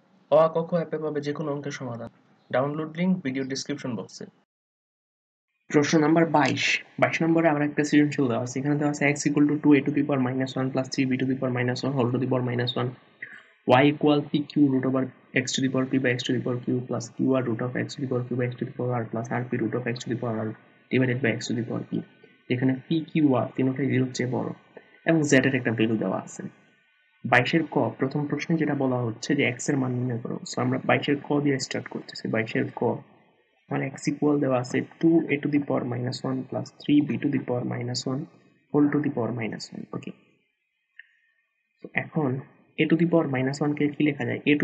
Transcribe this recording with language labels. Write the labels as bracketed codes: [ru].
[bn] অআকখ অ্যাপে পাবে যে কোনো অঙ্কের সমাধান ডাউনলোড লিংক ভিডিও ডিসক্রিপশন বক্সে প্রশ্ন নাম্বার বাইশ নম্বরে আবার একটা সৃজনশীল দেওয়া আছে [en] এখানে দেওয়া আছে x equal to two a to the power minus one plus three b to the power minus one whole to the power minus one y equals to q root over x to the power p by x to the power q plus q r root of x to the power q by x to the power r plus r p root of x to the power r divided by x to the power p. [bn] এখানে p q r তিনটাই 0 এর চেয়ে বড় এবং z এর একটা value দেওয়া আছে। 22 এর ক প্রথম প্রশ্নে যেটা বলা হচ্ছে যে x এর মান নির্ণয় করো। সো আমরা 22 এর ক দিয়ে স্টার্ট করতেছি। [en] 22 [bn] এর ক মানে [en] x equal [bn] দেওয়া আছে [en] 2a to the power minus 1 plus 3b to the power minus 1 whole to the power minus 1. [bn] Okay, so এখন a to the power minus 1 কে কি লেখা যায়?